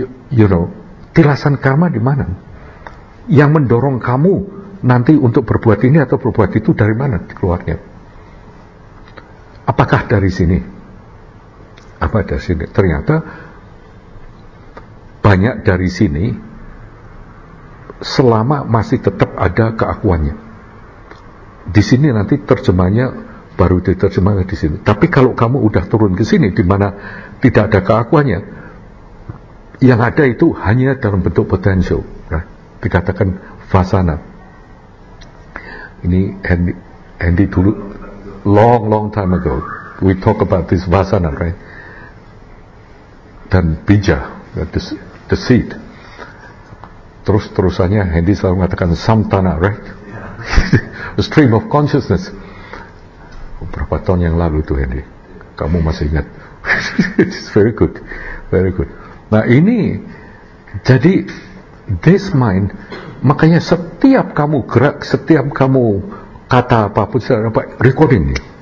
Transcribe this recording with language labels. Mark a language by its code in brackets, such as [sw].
[id] you know, tilasan karma di mana, yang mendorong kamu nanti untuk berbuat ini atau berbuat itu dari mana keluarnya, apakah dari sini, apa dari sini, ternyata banyak dari sini selama masih tetap ada keakuannya. Di sini nanti terjemahnya baru diterjemahkan di sini. Tapi kalau kamu udah turun ke sini di mana tidak ada keakuannya, yang ada itu hanya dalam bentuk potensial, right? Dikatakan vasana. Ini Andy dulu, [en] long time ago, we talk about this vasana, right? [id] Dan bija, [en] the seed. [id] Terus-terusannya Hendy selalu mengatakan samtana, right? [en] A stream of consciousness. [id] Berapa tahun yang lalu itu, Hendy? Kamu masih ingat? [en] It's very good. [id] Nah ini jadi [en] this mind, [id] makanya setiap kamu gerak, setiap kamu kata apapun, saudara, recording nih.